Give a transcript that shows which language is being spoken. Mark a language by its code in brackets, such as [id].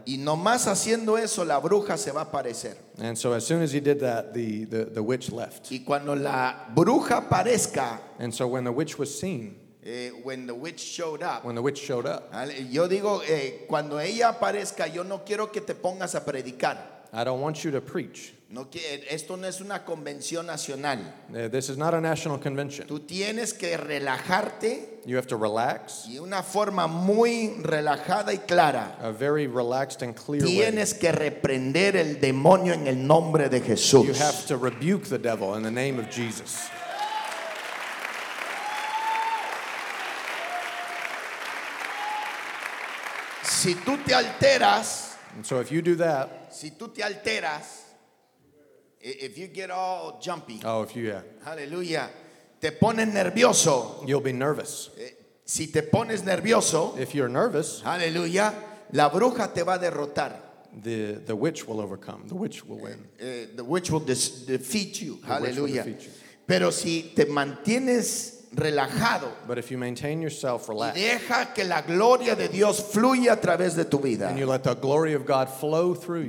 [es] Y nomás haciendo eso, la bruja se va a aparecer. [en] And so as soon as he did that, the witch left. [es] Y cuando la bruja aparezca. [en] And so when the witch was seen. When the witch showed up. When the witch showed up. [es] Yo digo, cuando ella aparezca, yo no quiero que te pongas a predicar. [en] I don't want you to preach. [es] No, esto no es una convención nacional. [en] This is not a national convention. [es] Tú tienes que relajarte. [en] You have to relax. [es] Y una forma muy relajada y clara. [en] A very relaxed and clear [es] tienes [en] way. [es] Tienes que reprender el demonio en el nombre de Jesús. [en] You have to rebuke the devil in the name of Jesus. [es] Si tú te alteras. [en] And so if you do that. [es] Si tú te alteras, [en] if you get all jumpy. Oh, if you, yeah. [es] Hallelujah. Te pones nervioso. [en] You'll be nervous. [es] Si te pones nervioso. [en] If you're nervous. [es] Hallelujah. La bruja te va a derrotar. [en] The witch will overcome. The witch will win. The witch will defeat you. The Hallelujah. Witch will defeat you. [es] Pero si te mantienes relajado. [en] But if you maintain yourself relaxed, [es] deja que la gloria de Dios fluya a través de tu vida. [en] And you let the glory of God flow through you.